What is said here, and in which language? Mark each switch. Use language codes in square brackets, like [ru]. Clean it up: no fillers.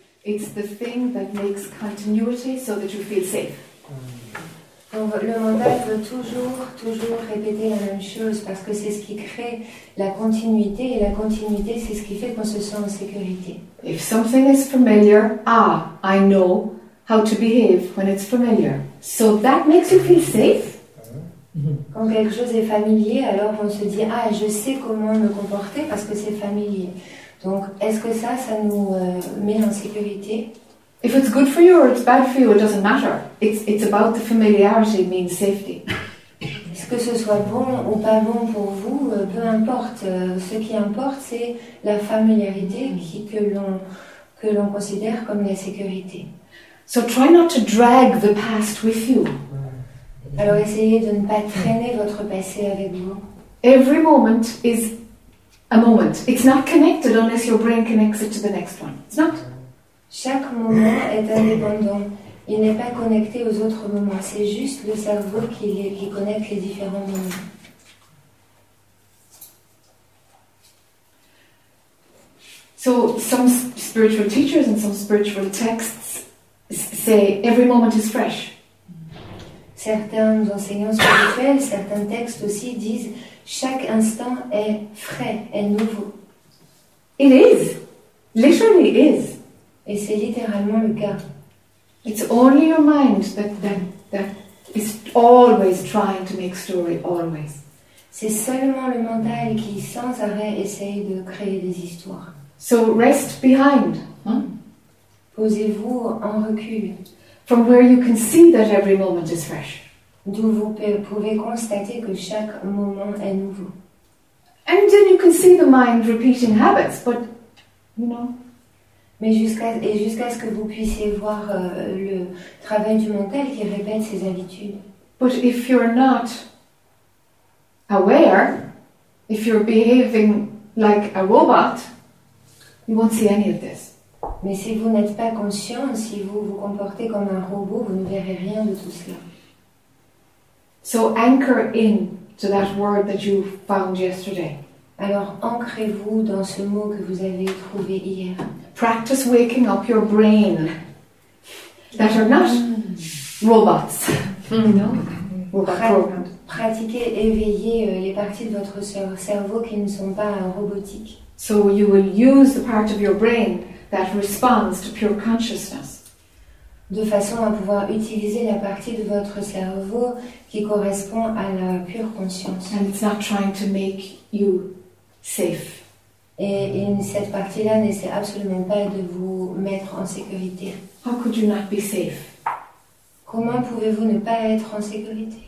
[en] It's the thing that makes continuity so that you feel safe. [fr] Donc le mental veut toujours, toujours répéter la même chose parce que c'est ce qui crée la continuité et la continuité c'est ce qui fait qu'on se sent en sécurité. [en] If something is familiar, ah, I know how to behave when it's familiar. So that makes you feel safe. [fr] Quand quelque chose est familier, alors on se dit, ah, je sais comment me comporter parce que c'est familier. Donc est-ce que ça, ça nous met en sécurité? [en] If it's good for you or it's bad for you, it doesn't matter. It's about the familiarity means safety. [fr] Est-ce que ce soit bon ou pas bon pour vous, peu importe. Ce qui importe, c'est la familiarité qui, que l'on considère comme la sécurité. [en] So try not to drag the past with you. [fr] Alors essayez de ne pas traîner votre passé avec vous. [en] Every moment is a moment. It's not connected unless your brain connects it to the next one. It's not. [fr] Chaque moment est indépendant. Il n'est pas connecté aux autres moments. C'est juste le cerveau qui connecte les différents moments. [en] So some spiritual teachers and some spiritual texts say every moment is fresh. [fr] Certains enseignants spirituels, certains textes aussi disent chaque instant est frais, est nouveau. [en] It is. Literally is. [fr] Et c'est littéralement le cas. [en] It's only your mind that is always trying to make story, always. [fr] C'est seulement le mental qui sans arrêt essaye de créer des histoires. [en] So rest behind. [fr] Posez-vous en recul. [en] From where you can see that every moment is fresh. [fr] D'où vous pouvez constater que chaque moment est nouveau. [en] And then you can see the mind repeating habits, but you know. [fr] Mais jusqu'à ce que vous puissiez voir le travail du mental qui répète ses habitudes. [en] But if you're not aware, if you're behaving like a robot, you won't see any of this. [fr] Mais si vous n'êtes pas conscient, si vous vous comportez comme un robot, vous ne verrez rien de tout cela. [en] So anchor in to that word that you found yesterday. [fr] Alors ancrez-vous dans ce mot que vous avez trouvé hier. [en] Practice waking up your brain that are not robots. [fr] Pratiquez éveiller les parties de votre cerveau qui ne sont pas robotiques. [en] So you will use the part of your brain that responds to pure consciousness. [fr] De façon à pouvoir utiliser la partie de votre cerveau qui correspond à la pure conscience. [en] And it's not trying to make you safe. [fr] Et cette partie-là n'essaie absolument pas de vous mettre en sécurité. [en] How could you not be safe? [fr] Comment pouvez-vous ne pas être en sécurité?